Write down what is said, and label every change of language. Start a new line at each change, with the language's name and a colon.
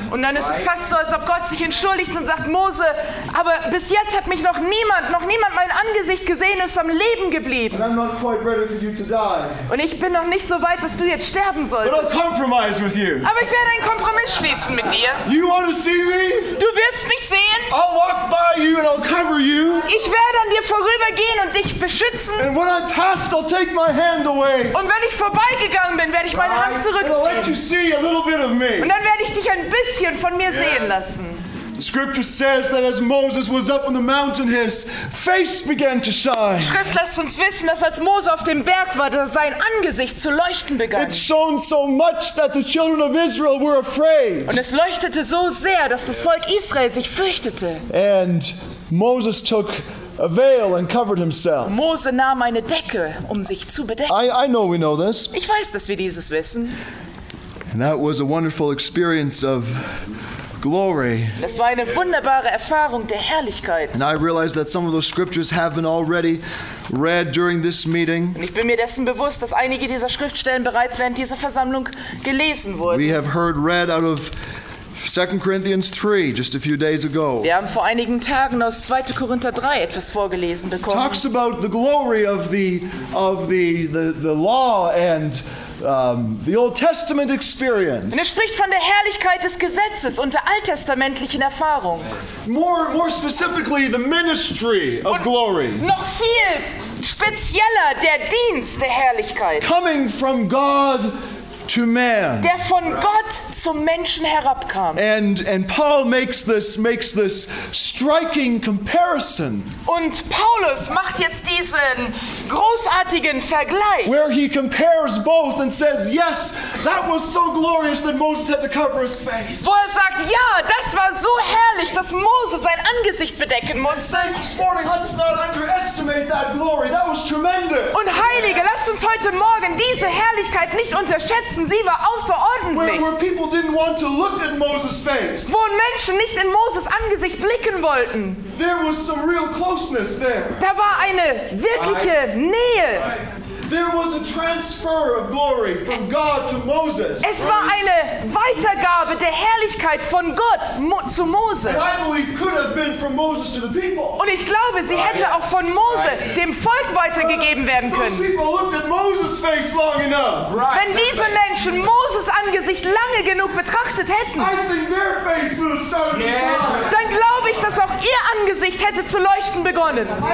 German: Und dann ist es fast so, als ob Gott sich entschuldigt und sagt, Mose, aber bis jetzt hat mich noch niemand mein Angesicht gesehen und ist am Leben geblieben.
English: And I'm not quite ready for you to die.
German: Und ich bin noch nicht so weit, dass du jetzt sterben sollst.
English: I'll compromise with you.
German: Aber ich werde einen Kompromiss schließen mit dir.
English: You want to see me?
German: Du wirst mich sehen.
English: I'll walk by you and I'll cover you.
German: Ich werde an dir vorübergehen und dich beschützen.
English: And when I passed, I'll take my hand away.
German: Und wenn ich vorbeigegangen bin, werde ich meine Hand zurückziehen.
English: And I'll let you see a little bit of me.
German: Und dann werde ich dich ein bisschen von mir sehen lassen.
English: The scripture says that as Moses was up on the mountain, his face began to shine.
German: Die Schrift lässt uns wissen, dass als Mose auf dem Berg war, dass sein Angesicht zu leuchten begann.
English: It shone so much that the children of Israel were afraid.
German: Und es leuchtete so sehr, dass das Volk Israel sich fürchtete.
English: And Moses took a veil and covered himself.
German: Mose nahm eine Decke, um sich zu bedecken.
English: I know we know this.
German: Ich weiß, dass wir dieses wissen.
English: And that was a wonderful experience of glory.
German: Das war eine wunderbare Erfahrung der Herrlichkeit.
English: And I realize that some of those scriptures have been already read during this meeting.
German: Und ich bin mir dessen bewusst, dass einige dieser Schriftstellen bereits während dieser Versammlung gelesen wurden.
English: We have heard read out of 2 Corinthians 3 just a few days ago.
German: Wir haben vor einigen Tagen aus 2. Korinther 3 etwas vorgelesen bekommen.
English: Talks about the glory of the law and the Old Testament experience.
German: Und er spricht von der Herrlichkeit des Gesetzes und der alttestamentlichen Erfahrung.
English: More specifically, the ministry of glory.
German: Noch viel spezieller der Dienst der Herrlichkeit.
English: Coming from God to man.
German: Der von Gott zum Menschen herabkam.
English: And Paul makes this striking comparison.
German: Und Paulus macht jetzt diesen großartigen Vergleich.
English: Where he compares both and says, yes, that was so glorious that Moses had to cover his face.
German: Wo er sagt, ja, das war so herrlich, dass Moses sein Angesicht bedecken musste.
English: Thanks this morning, let's not underestimate that glory. That was tremendous.
German: Und Heilige, lasst uns heute Morgen diese Herrlichkeit nicht unterschätzen. Sie war außerordentlich.
English: Where people didn't want to look at Moses' face.
German: Wo Menschen nicht in Moses Angesicht blicken wollten.
English: There was some real closeness there.
German: Da war eine wirkliche Nähe.
English: There was a transfer of glory from God to Moses.
German: Es war eine Weitergabe der Herrlichkeit von Gott zu Mose.
English: And I believe could have been from Moses to the people.
German: Und ich glaube, sie hätte auch von Mose dem Volk weitergegeben werden können.
English: Those people looked at Moses' face long enough.
German: Wenn diese Menschen Moses Angesicht lange genug betrachtet hätten,
English: I think their face would have started to shine.
German: Dann glaube ich, dass auch ihr Angesicht hätte zu leuchten begonnen.